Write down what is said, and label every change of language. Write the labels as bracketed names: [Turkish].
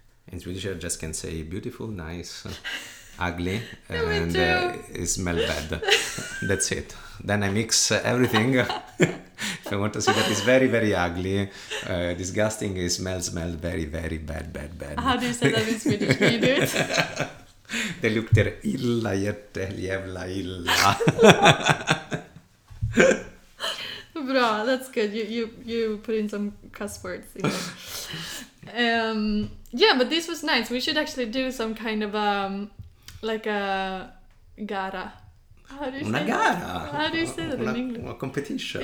[English] In Swedish, I just can say beautiful, nice, ugly, and smell bad. That's it. Then I mix everything. I want to say that it's very, very ugly, disgusting, it smells very, very bad. How do you say that in Swedish? Can you do it? [Swedish] Det luktar illa, jättejävla illa. [English] Bra, that's good. You put in some cuss words in there. Yeah, but this was nice. We should actually do some kind of like a gara. [Italian] Una gara. [English] How do you say that in English? A competition.